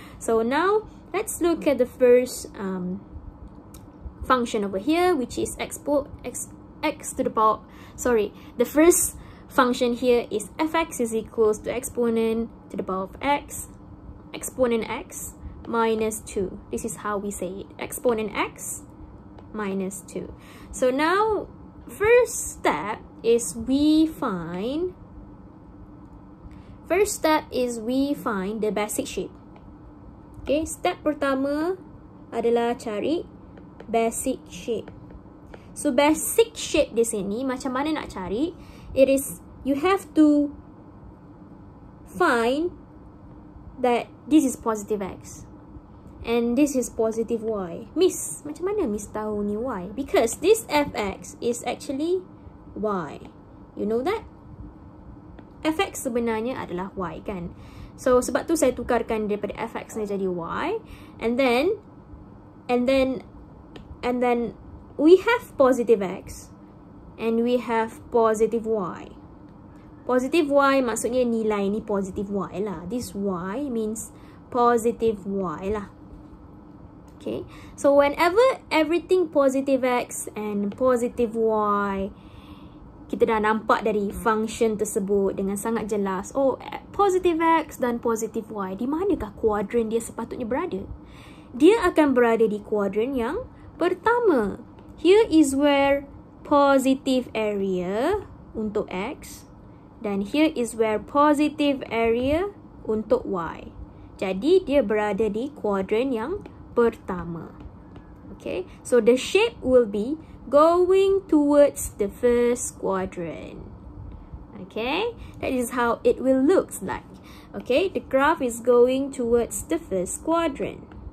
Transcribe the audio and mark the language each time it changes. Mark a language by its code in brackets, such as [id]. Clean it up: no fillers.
[en] So now let's look at the first function over here, which is the first function here is fx is equals to exponent to the power of x, exponent x minus 2. This is how we say it, exponent x minus 2. So now, first step is we find the basic shape. [ms] Okay, step pertama adalah cari basic shape. So basic shape di sini, macam mana nak cari? [en] It is, you have to find that this is positive x and this is positive y. Miss, [ms] macam mana miss tahu ni y? [en] Because this fx is actually y. You know that? [ms] Fx sebenarnya adalah y, kan? So, sebab tu saya tukarkan daripada fx ni jadi y. [en] And then, we have positive x and we have positive y. [ms] Positive y maksudnya nilai ni positive y lah. [en] This y means positive y lah. Okay, so whenever everything positive x and positive y, [ms] kita dah nampak dari function tersebut dengan sangat jelas. Oh, positive x dan positive y, di manakah kuadran dia sepatutnya berada? Dia akan berada di kuadran yang pertama. [en] Here is where positive area [ms] untuk x, dan [en] here is where positive area untuk y. [ms] Jadi, dia berada di kuadran yang pertama. [en] Okay, so the shape will be going towards the first quadrant. Okay, that is how it will look like. Okay, the graph is going towards the first quadrant.